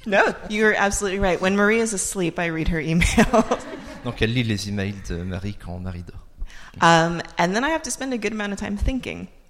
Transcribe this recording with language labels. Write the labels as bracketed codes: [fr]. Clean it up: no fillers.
[en] No, you're absolutely right. When Marie is asleep, I read her emails. [fr] Donc elle lit les emails de Marie quand Marie dort. [en] And then I have to spend a good amount of time thinking.